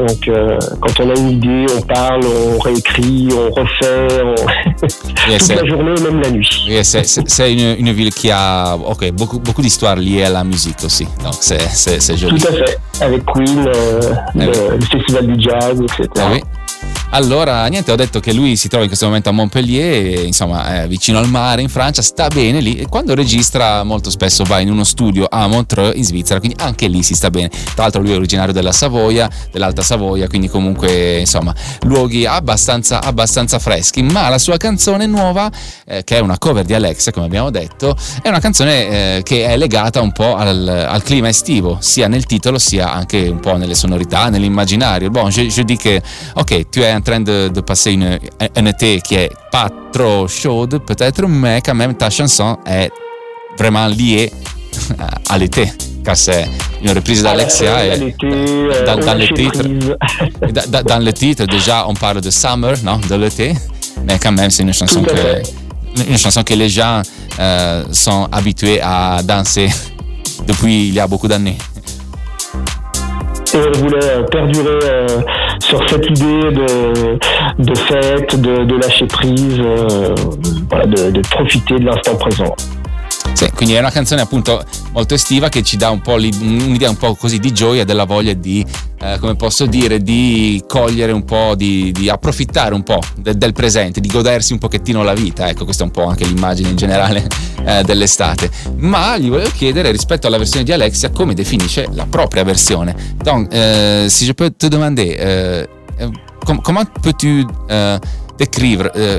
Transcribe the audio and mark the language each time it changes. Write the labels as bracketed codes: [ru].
[fr] Donc quand on a une idée, on parle, on réécrit, on refait, toute la journée, même la nuit. Yeah, c'est une ville qui a beaucoup d'histoires liées à la musique aussi, donc c'est joli. Tout à fait, avec Queen, le festival du jazz, etc. Ah oui. [it] Allora, niente, ho detto che lui si trova in questo momento a Montpellier, insomma, vicino al mare in Francia, sta bene lì, e quando registra molto spesso va in uno studio a Montreux in Svizzera, quindi anche lì si sta bene. Tra l'altro lui è originario della Savoia, dell'Alta Savoia, quindi comunque, insomma, luoghi abbastanza freschi. Ma la sua canzone nuova, che è una cover di Alexa, come abbiamo detto, è una canzone che è legata un po' al clima estivo, sia nel titolo sia anche un po' nelle sonorità, nell'immaginario. [fr] Bon, je dis que, ok, tu es en train de passer une été qui est pas trop chaude peut-être, mais quand même ta chanson est vraiment liée à l'été, car c'est une reprise d'Alexia dans le titre. Déjà on parle de summer, non, de l'été, mais quand même c'est une chanson que les gens sont habitués à danser depuis il y a beaucoup d'années. Et on voulait perdurer sur cette idée de fête, de lâcher prise, de profiter de l'instant présent. [it] Sì, quindi è una canzone appunto molto estiva che ci dà un po' un'idea un po' così di gioia, della voglia di, come posso dire, di cogliere un po', di approfittare un po' del presente, di godersi un pochettino la vita. Ecco, questa è un po' anche l'immagine in generale dell'estate. Ma gli volevo chiedere, rispetto alla versione di Alexia, come definisce la propria versione. [fr] Donc, si je peux te demander, comment peux-tu décrire...